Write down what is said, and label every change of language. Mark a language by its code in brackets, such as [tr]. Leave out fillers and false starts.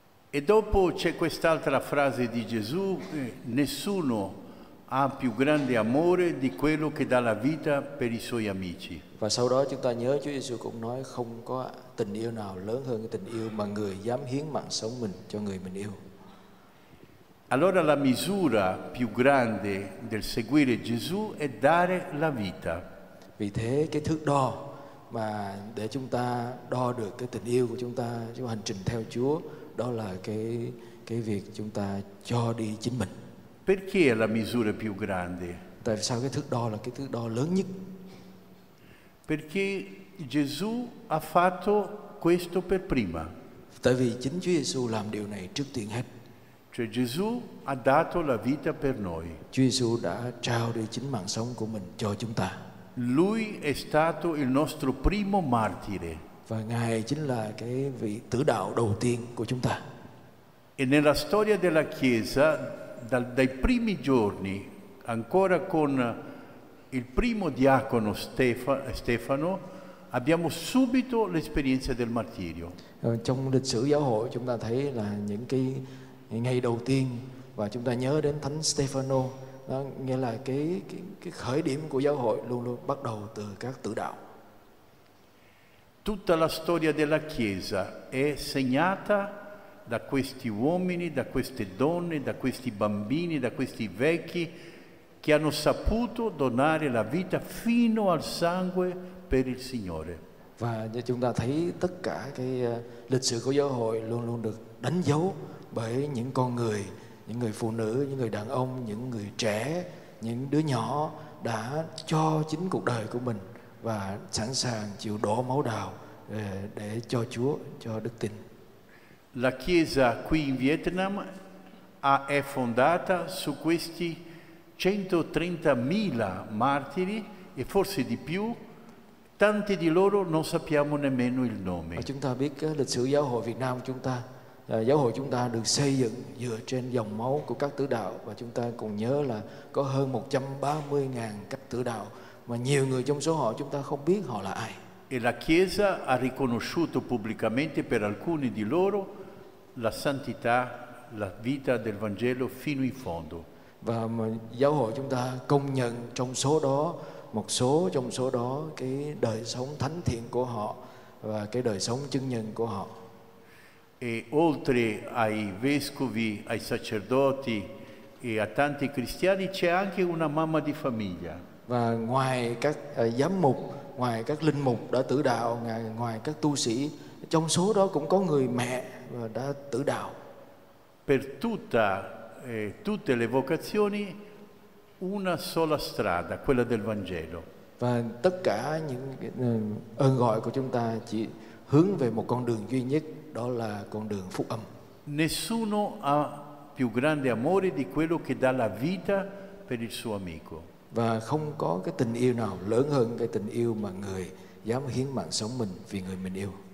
[it] E dopo c'è quest'altra frase di Gesù: nessuno ha più grande amore di quello che dà la vita per i suoi amici. [vi] Và sau đó chúng ta nhớ Chúa Giêsu cũng nói không có tình yêu nào lớn hơn cái tình yêu mà người dám hiến mạng sống mình cho người mình yêu. [it] Allora la misura più grande del seguire Gesù è dare la vita. [vi] Vì thế cái thước đo mà để chúng ta đo được cái tình yêu của chúng ta, chúng hành trình theo Chúa, đó là cái việc chúng ta cho đi chính mình. [it] Perché è la misura più grande? [vi] Tại sao cái thước đo là cái thước đo lớn nhất? [it] Perché Gesù ha fatto questo per prima. [vi] Tại vì chính Chúa Giêsu làm điều này trước tiên hết. [it] Cioè Gesù ha dato la vita per noi. [vi] Chúa Giêsu đã trao đi chính mạng sống của mình cho chúng ta. [it] Lui è stato il nostro primo martire. [vi] Và Ngài chính là cái vị tử đạo đầu tiên của chúng ta. [it] E nella storia della Chiesa, dai primi giorni, ancora con il primo diacono Stefano, abbiamo subito l'esperienza del martirio. [vi] Trong lịch sử giáo hội chúng ta thấy là những cái ngày đầu tiên và chúng ta nhớ đến thánh Stefano, đó nghĩa là cái khởi điểm của giáo hội luôn luôn bắt đầu từ các tử đạo. [it] Tutta la storia della Chiesa è segnata da questi uomini, da queste donne, da questi bambini, da questi vecchi che hanno saputo donare la vita fino al sangue per il Signore. [vi] Và như chúng ta thấy tất cả cái lịch sử của giáo hội luôn luôn được đánh dấu bởi những con người, những người phụ nữ, những người đàn ông, những người trẻ, những đứa nhỏ đã cho chính cuộc đời của mình và sẵn sàng chịu đổ máu đào để cho Chúa, cho đức tin. [it] La Chiesa qui in Vietnam è fondata su questi 130.000 martiri e forse di più. Tanti di loro non sappiamo nemmeno il nome. [vi] Chúng ta biết lịch sử giáo hội Việt Nam chúng ta, giáo hội chúng ta được xây dựng dựa trên dòng máu của các tử đạo, và chúng ta còn nhớ là có hơn 130.000 các tử đạo, mà nhiều người trong số họ chúng ta không biết họ là ai. [it] E la Chiesa ha riconosciuto pubblicamente per alcuni di loro la santità, la vita del Vangelo fino in fondo. [vi] Và giáo hội chúng ta công nhận trong số đó, một số trong số đó, cái đời sống thánh thiện của họ và cái đời sống chứng nhân của họ. [it] E oltre ai vescovi, ai sacerdoti e a tanti cristiani c'è anche una mamma di famiglia. [vi] Và ngoài các giám mục, ngoài các linh mục đã tử đạo, ngoài các tu sĩ, trong số đó cũng có người mẹ đã tử đạo. [it] Per tutta tutte le vocazioni una sola strada, quella del Vangelo. [vi] Và tất cả những ơn gọi của chúng ta chỉ hướng về một con đường duy nhất, đó là con đường phúc âm. [it] Nessuno ha più grande amore di quello che dà la vita per il suo amico. [vi] Và không có cái tình yêu nào lớn hơn cái tình yêu mà người dám hiến mạng sống mình vì người mình yêu.